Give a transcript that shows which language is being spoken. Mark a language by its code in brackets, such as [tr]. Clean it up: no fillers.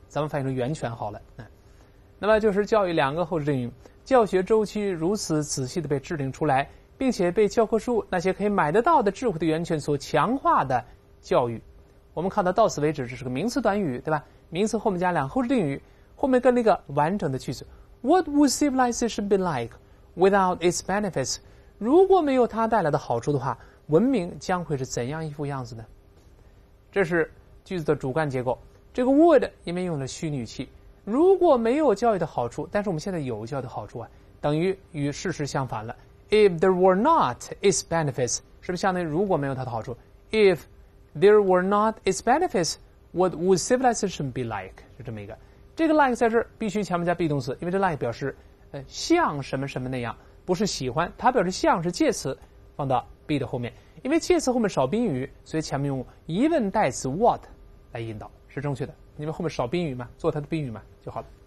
[zh] 咱们翻译成源泉好了。那么就是教育两个后置定语，教学周期如此仔细的被制定出来，并且被教科书那些可以买得到的智慧的源泉所强化的教育。我们看到此为止，这是个名词短语，对吧？名词后面加两后置定语，后面跟了一个完整的句子。 [en] What would civilization be like without its benefits? [zh] 如果没有它带来的好处的话，文明将会是怎样一副样子呢？这是句子的主干结构。这个 would 因为用了虚拟语气，如果没有教育的好处，但是我们现在有教育的好处啊，等于与事实相反了。 [en] If there were not its benefits, [zh] 是不是相当于如果没有它的好处？ [en] If there were not its benefits, what would civilization be like? [zh] 就这么一个。这个 like 在这儿必须前面加 be 动词，因为这 like 表示像什么什么那样，不是喜欢，它表示像是介词，放到 be 的后面，因为介词后面少宾语，所以前面用疑问代词 what 来引导是正确的，因为后面少宾语嘛，做它的宾语嘛就好了。